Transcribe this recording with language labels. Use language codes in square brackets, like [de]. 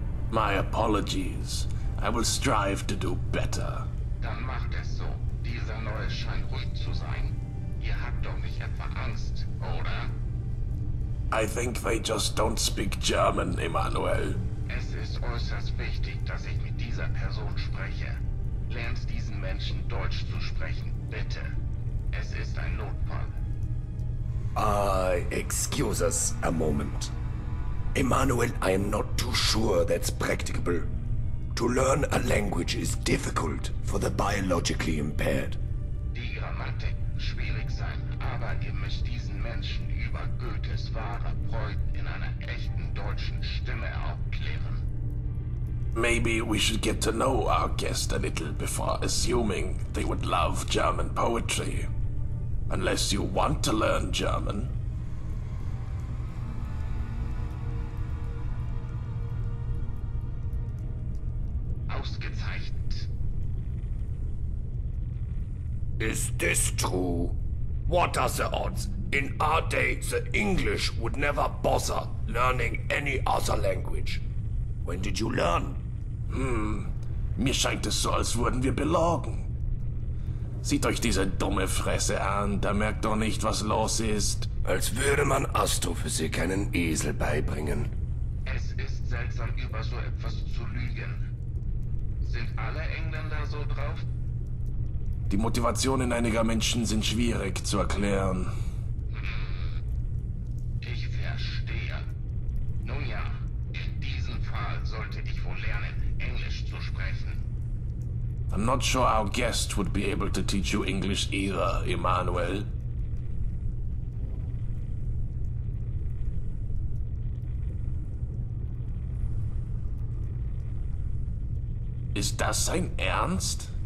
[en] My apologies. I will strive to do better. [de] Dann macht es so. Dieser neue scheint ruhig zu sein. Ihr habt doch nicht etwa Angst, oder? [en] I think they just don't speak German, Emmanuel. [de] Es ist äußerst wichtig, dass ich mit dieser Person spreche. Lernt diesen Menschen Deutsch zu sprechen, bitte. Es ist ein Notfall. [en] Excuse us a moment. Emmanuel, I am not too sure that's practicable. To learn a language is difficult for the biologically impaired. Die Grammatik schwierig sein, aber ihr müsst diesen Menschen über Goethes wahre Freude in einer echten deutschen Stimme aufklären. Maybe we should get to know our guest a little before assuming they would love German poetry. Unless you want to learn German. Is this true? What are the odds? In our day, the English would never bother learning any other language. When did you learn? [de] Mir scheint es so, als würden wir belogen. Sieht euch diese dumme Fresse an, da merkt doch nicht, was los ist. Als würde man Astrophysik einen Esel beibringen. Es ist seltsam, über so etwas zu lügen. Sind alle Engländer so drauf? Die Motivationen einiger Menschen sind schwierig zu erklären. Ich verstehe. Nun ja, in diesem Fall sollte ich wohl lernen, Englisch zu sprechen. [en] I'm not sure our guest would be able to teach you English either, Emmanuel. [de] Ist das sein Ernst?